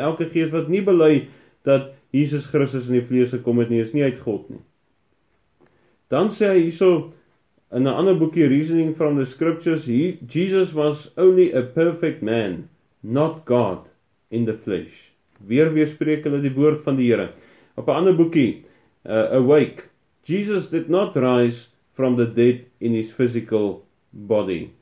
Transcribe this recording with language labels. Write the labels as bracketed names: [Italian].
[Afrikaans] Elke gees wat nie bely dat Jesus Christus in die vlees gekom het nie, is nie uit God nie. Dan sê hy hierso, in 'n ander boekie, Reasoning from the Scriptures, [English] Jesus was only a perfect man, not God, in the flesh. [Afrikaans] Weer weerspreek hulle die woord van die Here. Op 'n ander boekie, Awake, [English] Jesus did not rise from the dead in his physical body.